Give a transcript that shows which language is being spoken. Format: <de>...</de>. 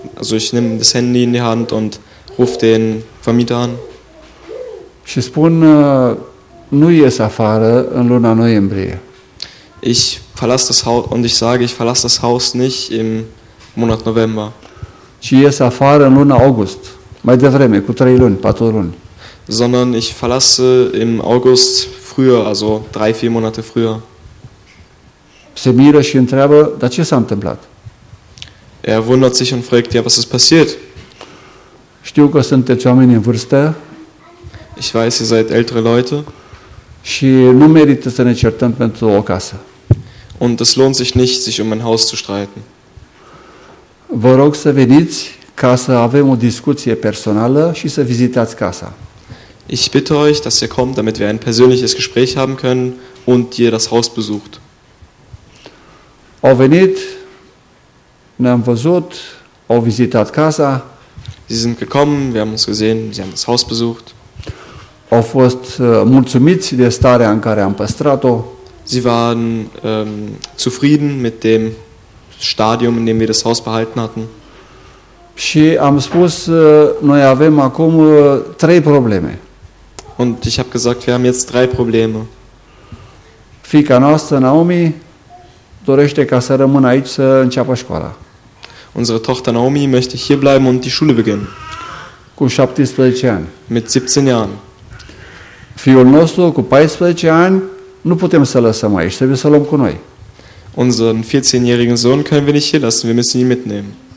<de>Ich nehme das Handy in die Hand und rufe den Vermieter an.</de> <ro>Și spun, nu ies afară în luna noiembrie.</ro> <de>Ich verlasse das Haus und ich sage, ich verlasse das Haus nicht im Monat November.</de> <ro>Ci ies afară în luna august. Mai devreme, cu 3 luni, 4 luni.</ro> <de>Sondern ich verlasse im August früher, also 3-4 Monate früher.</de> <ro>Se miră și întreabă, dar ce s-a întâmplat?</ro> <de>Er wundert sich und fragt, ja, was ist passiert?</de> <ro>Știu că sunteți oameni în vârstă.</ro> <de>Ich weiß, ihr seid ältere Leute.</de> <ro>Și nu merită să ne certăm pentru o casă.</ro> <de>Und es lohnt sich nicht, sich um ein Haus zu streiten.</de> <ro>Vă rog să veniți ca să avem o discuție personală și să vizitați casa.</ro> <de>Ich bitte euch, dass ihr kommt, damit wir ein persönliches Gespräch haben können und ihr das Haus besucht.</de> <ro>Au venit, ne-am văzut, au vizitat casa.</ro> <de>Sie sind gekommen, wir haben uns gesehen, sie haben das Haus besucht.</de> <ro>Au fost mulțumiți de starea în care am păstrat-o.</ro> <de>Sie waren zufrieden mit dem Stadium, in dem wir das Haus behalten hatten.</de> <ro>Și am spus, noi avem acum trei probleme.</ro> <de>Und ich habe gesagt, wir haben jetzt drei Probleme.</de> <ro>Fiica noastră, Naomi, dorește ca să rămână aici să înceapă școala.</ro> <de>Unsere Tochter Naomi möchte hier bleiben und die Schule beginnen.</de> <ro>Cu 17 ani.</ro> <de>Mit 17 Jahren.</de> <ro>Fiul nostru, cu 14 ani, nu putem să-l lăsăm aici, trebuie să-l luăm cu noi.</ro> <de>Unseren 14-jährigen Sohn können wir nicht hier lassen, wir müssen ihn mitnehmen.</de>